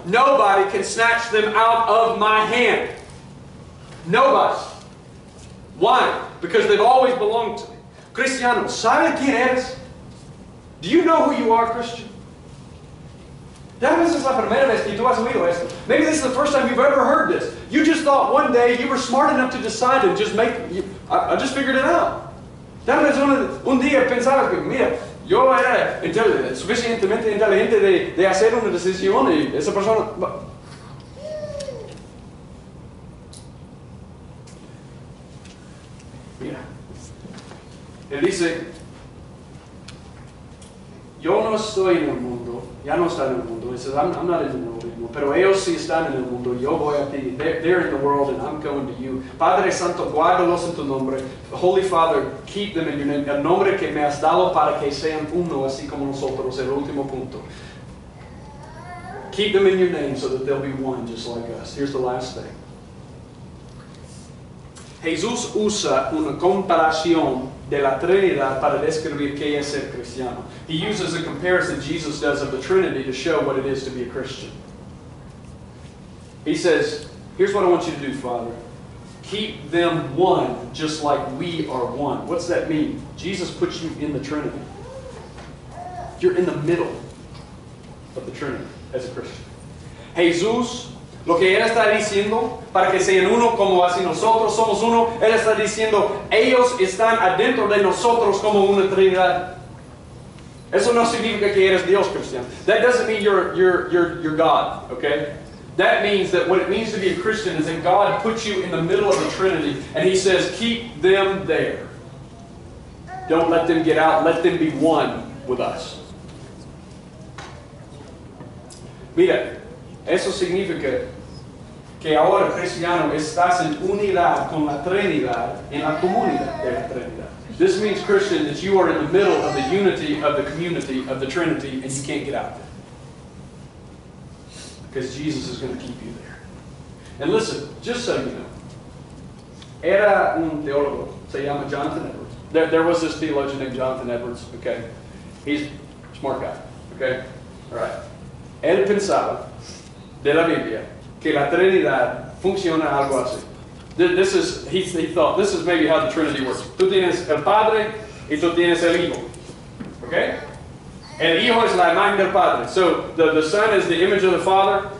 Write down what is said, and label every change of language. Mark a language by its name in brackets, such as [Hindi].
[English] Nobody can snatch them out of my hand. Nobody. Why? Because they've always belonged to me. [Spanish] Cristiano, ¿sabe quién eres? [English] Do you know who you are, Christian? [Spanish] Tal vez es la primera vez que tú has oído esto. [English] Maybe this is the first time you've ever heard this. You just thought one day you were smart enough to decide and just make, I just figured it out. [Spanish] Tal vez un día pensabas que, mira, yo era suficientemente inteligente de hacer una decisión y esa persona... Él dice, yo no estoy en el mundo, ya no está en el mundo. Él dice, [English] I'm not in the world anymore, [Spanish] pero ellos sí están en el mundo. Yo voy a ti, [English] they're in the world and I'm going to you. [Spanish] Padre Santo, guárdalos en tu nombre. [English] Holy Father, keep them in your name. [Spanish] El nombre que me has dado para que sean uno así como nosotros. El último punto. [English] Keep them in your name so that they'll be one just like us. Here's the last thing. [Spanish] Jesús usa una comparación de la Trinidad para describir qué es ser cristiano. [English] He uses a comparison Jesus does of the Trinity to show what it is to be a Christian. He says, here's what I want you to do, Father. Keep them one just like we are one. What's that mean? Jesus puts you in the Trinity. You're in the middle of the Trinity as a Christian. [Spanish] Jesús, lo que él está diciendo, para que sean uno como así nosotros somos uno, él está diciendo, ellos están adentro de nosotros como una Trinidad. Eso no significa que eres Dios, Christian. [English] That doesn't mean you're God, okay? That means that what it means to be a Christian is that God puts you in the middle of the Trinity, and he says, keep them there. Don't let them get out. Let them be one with us. [Spanish] Mira, eso significa que ahora, cristiano, estás en unidad con la Trinidad en la comunidad de la Trinidad. [English] This means, Christian, that you are in the middle of the unity of the community of the Trinity and you can't get out there. Because Jesus is going to keep you there. And listen, just so you know, [Spanish] era un teólogo, se llama Jonathan Edwards. [English] There was this theologian named Jonathan Edwards, okay? He's a smart guy, okay? All right. [Spanish] Él pensaba de la Biblia que la Trinidad funciona algo así. [English] This is, he thought, this is maybe how the Trinity works. [Spanish] Tú tienes el Padre y tú tienes el Hijo. Okay? El Hijo es la imagen del Padre. [English] So, the Son is the image of the Father.